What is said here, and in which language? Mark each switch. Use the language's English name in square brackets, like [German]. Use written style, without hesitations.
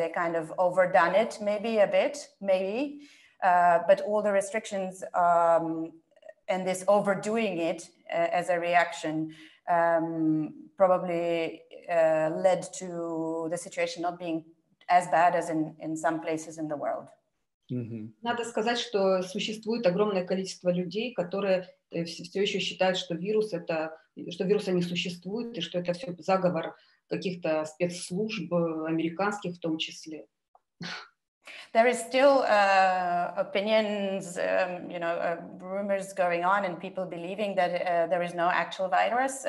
[English] They kind of overdone it, maybe a bit, maybe. But all the restrictions and this overdoing it as a reaction probably led to the situation not being as bad as in some places in the world. Mm-hmm. [Russian] Надо сказать, что существует огромное количество людей, которые все еще считают, что вирус это, что вируса не существует и что это все заговор каких-то спецслужб американских в том числе. [English] There is still opinions, you know, rumors going on and people believing that there is no actual virus.